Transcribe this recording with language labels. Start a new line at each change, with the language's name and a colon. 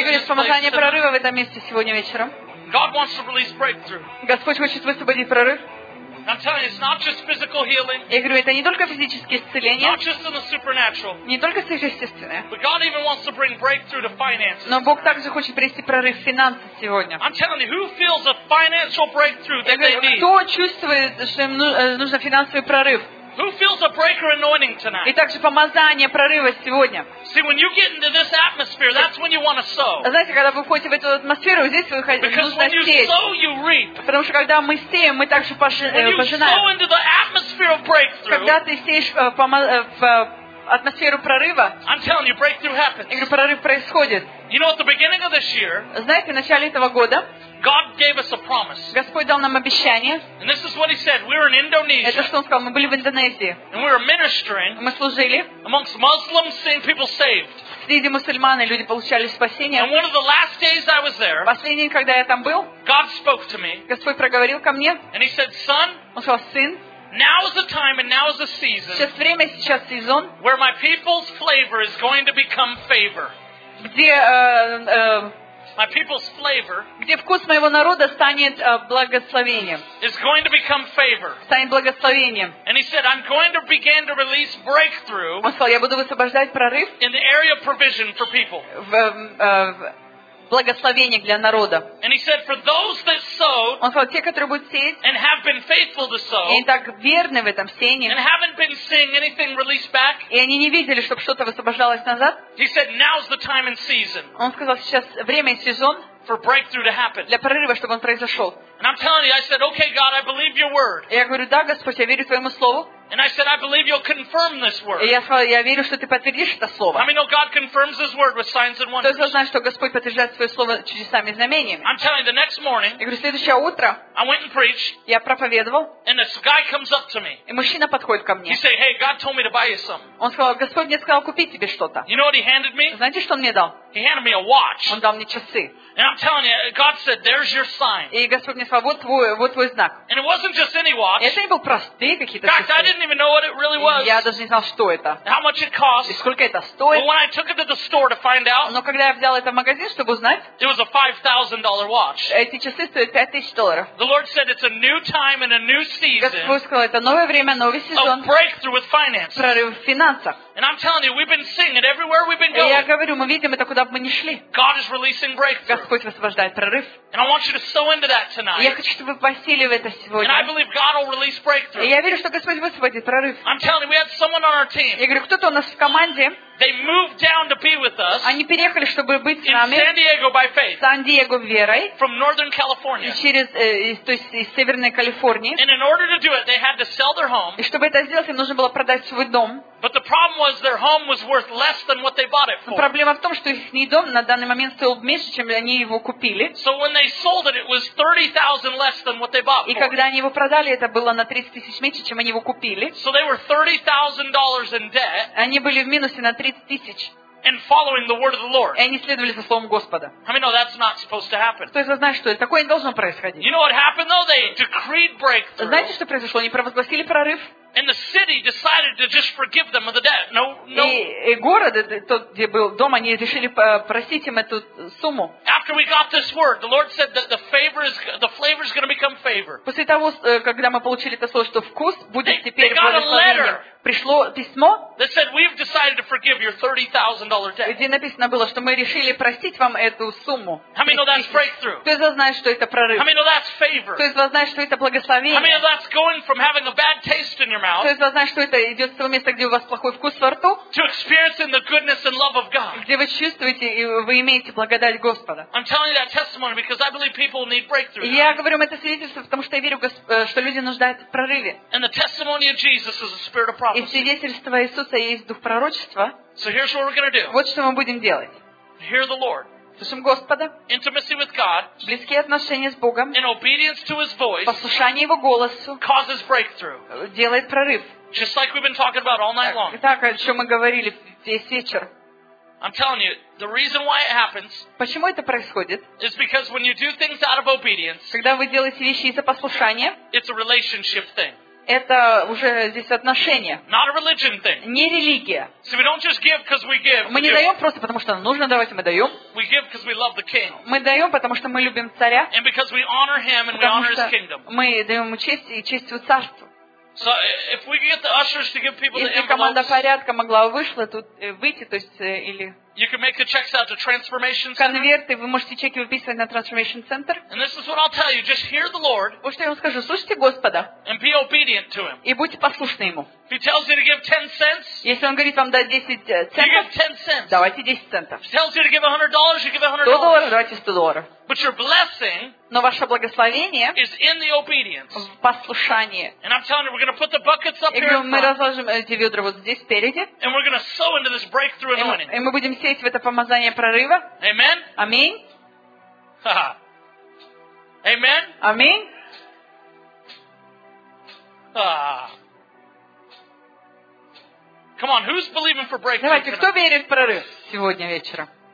Russian: Я говорю, помазание прорыва в этом месте сегодня вечером.
English: God wants to release breakthrough.
Russian: Господь хочет высвободить прорыв.
English: I'm telling you, it's not just physical healing.
Russian: Я говорю, это не только физическое исцеление.
English: Not just in the supernatural.
Russian: Не только сверхъестественное.
English: But God even wants to bring breakthrough to finances.
Russian: Но Бог также хочет принести прорыв в финансах сегодня.
English: I'm telling you, who feels a financial breakthrough that they need?
Russian: Кто чувствует, что им нужен финансовый прорыв?
English: Who feels a breaker anointing tonight?
Russian: И также помазание прорыва сегодня.
English: See, when you get into this atmosphere, that's when you want to sow.
Russian: Знаете, когда вы входите в эту атмосферу, здесь вы хотите пожинать.
English: Because when you sow, you reap.
Russian: Потому что когда мы сеем, мы также пожинаем.
English: When you sow into the atmosphere of breakthrough.
Russian: Когда ты сеешь в атмосферу прорыва.
English: I'm telling you, breakthrough happens.
Russian: И говорю, прорыв происходит.
English: You know, at the beginning of this year.
Russian: Знаете, в начале этого года.
English: God gave us a promise.
Russian: Господь дал нам обещание.
English: And this is what He said. We were in Indonesia.
Russian: Это что Он сказал? Мы были в Индонезии.
English: And we were ministering.
Russian: Мы служили.
English: Amongst Muslims, seeing people saved.
Russian: Среди мусульман люди получали спасение.
English: And one of the last days I was there.
Russian: Последний день, когда я там был.
English: God spoke to me.
Russian: Господь проговорил ко мне.
English: And He said, "Son."
Russian: Он сказал, сын.
English: Now is the time and now is the season.
Russian: Сейчас время, сейчас сезон.
English: Where my people's flavor is going to become favor.
Russian: Где
English: my people's flavor.
Russian: Где вкус моего народа станет благословением.
English: Is going to become favor.
Russian: Станет благословением.
English: And he said, I'm going to begin to release breakthrough.
Russian: Он сказал, я буду высвобождать прорыв.
English: In the area of provision for people.
Russian: Благословение для народа.
English: And he said, for those that sowed.
Russian: Он сказал, те, которые будут сеять.
English: And have been faithful to sow.
Russian: И так верны в этом сеянии.
English: And haven't been seeing anything released back.
Russian: И они не видели, чтобы что-то высвобождалось назад.
English: He said, now's the time and season.
Russian: Он сказал, сейчас время и сезон.
English: For breakthrough to happen.
Russian: Для прорыва, чтобы он произошел.
English: And I'm telling you, I said, okay, God, I believe your word.
Russian: Я говорю, да, Господь, я верю твоему слову.
English: And I said, I believe you'll confirm this word.
Russian: И я сказал, я верю, что ты подтвердишь это слово.
English: I mean, no, God confirms His word with signs and wonders.
Russian: Кто знает, что Господь подтверждает свое слово чудесами и знамениями?
English: I'm telling you, the next morning.
Russian: Я говорю, следующее утро.
English: I went and preached.
Russian: Я проповедовал.
English: And this guy comes up to me.
Russian: И мужчина подходит ко мне.
English: He said, hey, God told me to buy you something.
Russian: Он сказал, Господь мне сказал купить тебе что-то.
English: You know what he handed me?
Russian: Знаете, что он мне дал?
English: He handed me a watch.
Russian: Он дал мне часы.
English: And I'm telling you, God said, there's your sign.
Russian: И Господь мне сказал, вот твой знак.
English: And it wasn't just any watch.
Russian: И это не был простые какие-то часы.
English: I didn't even know what it really was.
Russian: Я даже не знал, что это.
English: How much it cost?
Russian: И сколько это стоит?
English: But when I took it to the store to find out.
Russian: Но когда я взял это в магазин, чтобы узнать.
English: It was a $5,000 watch.
Russian: Эти часы стоят $5,000.
English: The Lord said it's a new time and a new season.
Russian: Господь сказал, это новое время, новый сезон.
English: A breakthrough with finances.
Russian: Прорыв в финансах.
English: And I'm telling you, we've been seeing it everywhere we've been going.
Russian: Я говорю, мы видим это, куда бы мы ни шли.
English: God is releasing breakthrough.
Russian: Господь высвобождает прорыв.
English: And I want you to sow into that tonight.
Russian: Я хочу, чтобы вы посеяли в это сегодня.
English: And I believe God will release breakthrough.
Russian: Я верю, что Господь высвободит прорыв.
English: I'm telling you, we had someone on our team.
Russian: Я говорю, кто-то у нас в команде.
English: They moved down to be with us.
Russian: Они переехали, чтобы быть с нами.
English: In San Diego by faith.
Russian: Сан-Диего верой.
English: From Northern California.
Russian: И через, то есть из Северной Калифорнии.
English: And in order to do it, they had to sell their home.
Russian: И чтобы это сделать, им нужно было продать свой дом.
English: But the problem was their home was worth less than what they bought it for.
Russian: Проблема в том, что их дом на данный момент стоил меньше, чем они его купили.
English: So when they sold it, it was $30,000 less than what they bought for.
Russian: И когда они его продали, это было на 30,000 меньше, чем они его купили.
English: So they were $30,000 in debt.
Russian: Они были в минусе на 30,000.
English: And following the word of the Lord.
Russian: И они следовали за словом Господа.
English: I mean, no, that's not supposed to happen.
Russian: То есть, знаешь, что такое не должно происходить.
English: You know what happened though? They decreed breakthrough.
Russian: Знаете, что произошло? Они провозгласили прорыв.
English: And the city decided to just forgive them of the debt. No, no.
Russian: И город, тот, где был дом, они решили простить им эту сумму.
English: After we got this word, the Lord said that the flavor is going to become favor.
Russian: После того, когда мы получили это слово, что вкус будет теперь благословением.
English: They got a letter.
Russian: Пришло письмо.
English: They said we've decided to forgive your $30,000 debt.
Russian: Где написано было, что мы решили простить вам эту сумму.
English: How many know that's breakthrough?
Russian: Кто из вас знает, что это прорыв?
English: How many know that's favor?
Russian: Кто из вас знает, что это благословение?
English: How many know that's going from having a bad taste in your mouth.
Russian: То есть, знаешь, что это идет с того места, где у вас плохой вкус во рту,
English: to experiencing the goodness and love of God.
Russian: Где вы чувствуете и вы имеете благодать Господа.
English: I'm telling you that testimony because I believe people need breakthrough.
Russian: Я говорю вам это свидетельство, потому что я верю, что люди нуждаются в прорыве.
English: And the testimony of Jesus is a spirit of prophecy.
Russian: И свидетельство Иисуса есть дух пророчества.
English: So here's what we're going to do.
Russian: Вот что мы будем делать.
English: Hear the Lord.
Russian: Слышим Господа.
English: Intimacy with God.
Russian: Близкие отношения с Богом.
English: In obedience to His voice.
Russian: Послушание Его голосу.
English: Causes breakthrough.
Russian: Делает прорыв.
English: Just like we've been talking about all night long.
Russian: Так, о чем мы говорили весь вечер.
English: I'm telling you, the reason why it happens.
Russian: Почему это происходит?
English: Is because when you do things out of obedience.
Russian: Когда вы делаете вещи из-за послушания.
English: It's a relationship thing.
Russian: Это уже здесь отношения.
English: Not a religion thing.
Russian: Не религия.
English: So we don't just give because we give.
Russian: Мы не даем просто потому что нужно давать, мы даем.
English: We give because we love the king.
Russian: Мы даем потому что мы любим царя.
English: And because we honor him and we honor his kingdom.
Russian: Мы даем ему честь и честь его царству.
English: So if we get the ushers to give people
Russian: если
English: the envelopes,
Russian: команда порядка могла вышла тут выйти, то есть или
English: you can make the checks out to Transformation Center.
Russian: Конверты вы можете чеки выписывать на Transformation Center.
English: And this is what I'll tell you: just hear the Lord.
Russian: Вот что я вам скажу: слушайте Господа.
English: And be obedient to Him.
Russian: И будьте послушны ему.
English: If He tells you to give 10 cents,
Russian: если он говорит вам дать 10 центов,
English: give 10 cents.
Russian: Давайте 10 центов.
English: If He tells you to give $100, you give $100.
Russian: $100, давайте $100.
English: But your blessing,
Russian: но ваше благословение,
English: is in the obedience,
Russian: в послушании.
English: And I'm telling you, we're going to put the buckets up here.
Russian: И мы разложим эти ведра вот здесь впереди.
English: And we're going to sow into this breakthrough anointing.
Russian: И мы будем сеять в это помазание прорыва.
English: Amen. Amen. Amen. Amen. Come on, who's believing for breakthrough?
Russian: Давайте, кто верит в прорыв сегодня вечером?